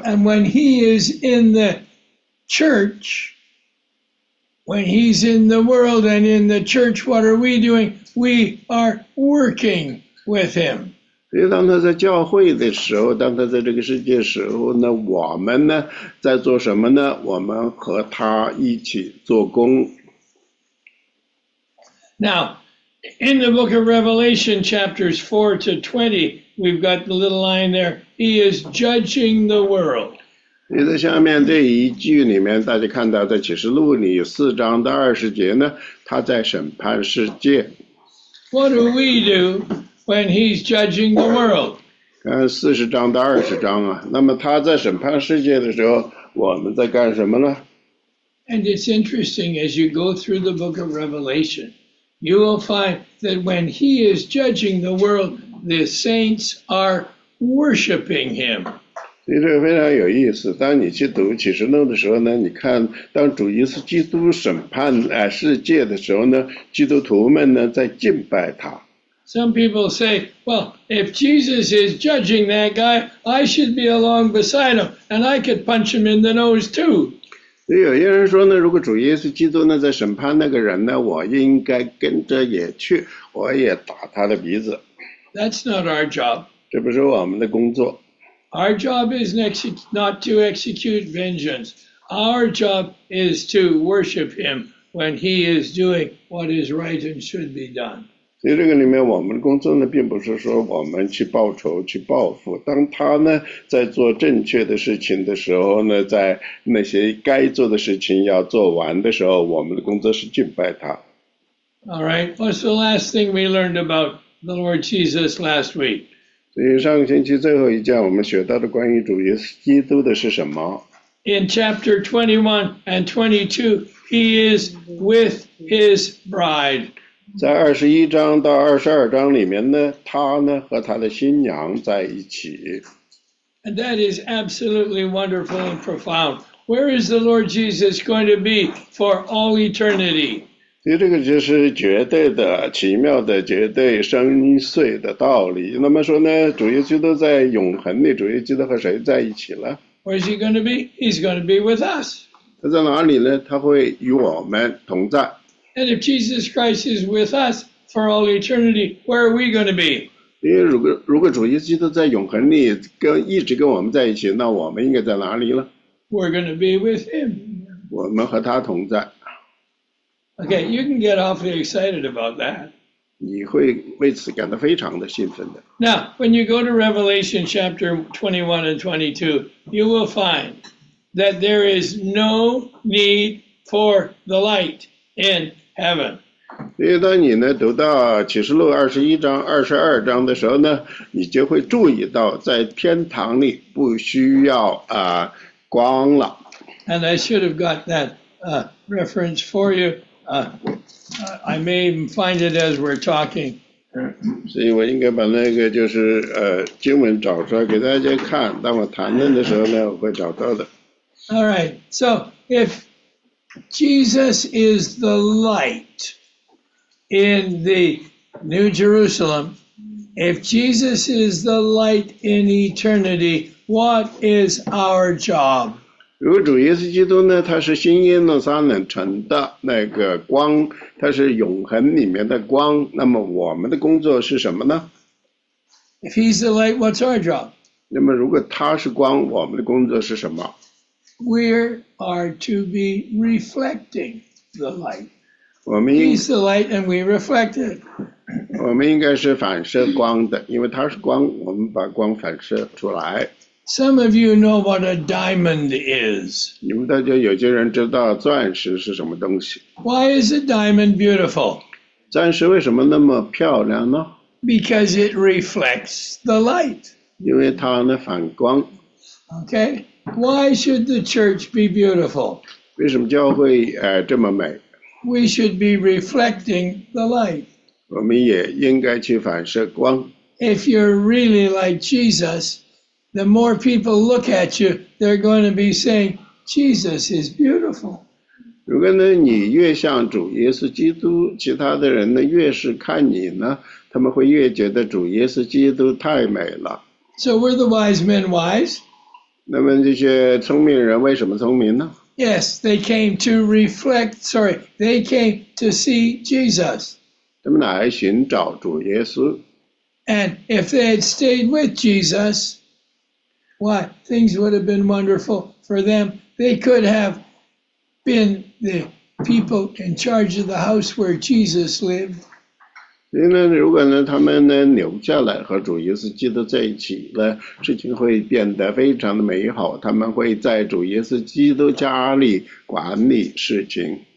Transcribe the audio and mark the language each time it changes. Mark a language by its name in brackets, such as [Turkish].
[English] And when he is in the church, when he's in the world and in the church, what are we doing? We are working with him. [Chinese] 所以当他在教会的时候，当他在这个世界的时候呢，我们呢在做什么呢？我们和他一起做工。 [English] Now, in the book of Revelation, chapters 4 to 20, we've got the little line there, he is judging the world. [Chinese] 在下面这一句里面，大家看到在启示录里四章的二十节呢，他在审判世界。 [English] What do we do when he's judging the world? [Chinese] 四十章的二十章啊，那么他在审判世界的时候，我们在干什么呢？ [English] And it's interesting, as you go through the book of Revelation,You will find that when he is judging the world, the saints are worshiping him. [Chinese] 所以这个非常有意思。当你去读启示录的时候呢，你看当主耶稣基督审判世界的时候呢，基督徒们呢在敬拜他。 [English] Some people say, well, if Jesus is judging that guy, I should be along beside him, and I could punch him in the nose too. [Chinese] 所以有些人说呢，如果主耶稣基督呢在审判那个人呢，我应该跟着也去，我也打他的鼻子。 [English] That's not our job. [Chinese] 这不是我们的工作。 [English] Our job is not to execute vengeance. Our job is to worship him when he is doing what is right and should be done. [Chinese] 所以这个里面我们的工作呢，并不是说我们去报仇、去报复。当他呢在做正确的事情的时候呢，在那些该做的事情要做完的时候，我们的工作是敬拜他。 [English] All right, what's the last thing we learned about the Lord Jesus last week? [Chinese] 所以上个星期最后一件我们学到的关于主耶稣基督的是什么？ [English] In chapter 21 and 22, he is with his bride. [Chinese] 在二十一章到二十二章里面呢，他呢和他的新娘在一起。 [English] And that is absolutely wonderful and profound. Where is the Lord Jesus going to be for all eternity? [Chinese] 所以这个就是绝对的、奇妙的、绝对深邃的道理。那么说呢，主耶稣都在永恒里，主耶稣都和谁在一起了？ [English] Where is he going to be? He's going to be with us. [Chinese] 他在哪里呢？他会与我们同在。 [English] And if Jesus Christ is with us for all eternity, where are we going to be? [Chinese] 因为如果主耶稣基督在永恒里一直跟我们在一起，那我们应该在哪里了？ [English] We're going to be with him. [Chinese] 我们和他同在。 [English] Okay, you can get awfully excited about that. [Chinese] 你会为此感到非常的兴奋的。 [English] Now, when you go to Revelation chapter 21 and 22, you will find that there is no need for the light in heaven. [Chinese] 所以当你呢读到启示录二十一章、二十二章的时候呢，你就会注意到在天堂里不需要啊、光了。 [English] And I should have got that reference for you. I may even find it as we're talking. [Chinese] 所以我应该把那个就是经文找出来给大家看，当我谈论的时候呢，我会找到的。 [English] All right. So if Jesus is the light. In the New Jerusalem, if Jesus is the light in eternity, what is our job? [Chinese] 如果主耶稣基督呢，他是新耶路撒冷城的那个光，他是永恒里面的光，那么我们的工作是什么呢？ [English] If he's the light, what's our job? [Chinese] 那么如果他是光，我们的工作是什么？ [English] We are to be reflecting the light. [Chinese] 我们 [English] He's the light and we reflect it. [Chinese] 我们应该是反射光的，因为它是光，我们把光反射出来。 [English] Some of you know what a diamond is. [Chinese] 你们大家有些人知道钻石是什么东西。 [English] Why is a diamond beautiful? [Chinese] 钻石为什么那么漂亮呢？ [English] Because it reflects the light. [Chinese] 因为它呢反光。 [English] Okay. Why should the church be beautiful? [Chinese] 为什么教会这么美？ [English] We should be reflecting the light. [Chinese] 我们也应该去反射光。 [English] If you're really like Jesus, the more people look at you, they're going to be saying, Jesus is beautiful. [Chinese] 如果呢，你越像主耶稣基督，其他的人呢，越是看你呢，他们会越觉得主耶稣基督太美了。 [English] So were the wise men wise? [Chinese] 那么这些聪明人为什么聪明呢？ [English] Yes, they came to reflect, sorry, they came to see Jesus. [Chinese] 他们来寻找主耶稣。 [English] And if they had stayed with Jesus, why, things would have been wonderful for them. They could have been the people in charge of the house where Jesus lived. [Chinese] 因为呢，如果呢，他们呢留下来和主耶稣基督在一起呢，事情会变得非常的美好。他们会在主耶稣基督家里管理事情。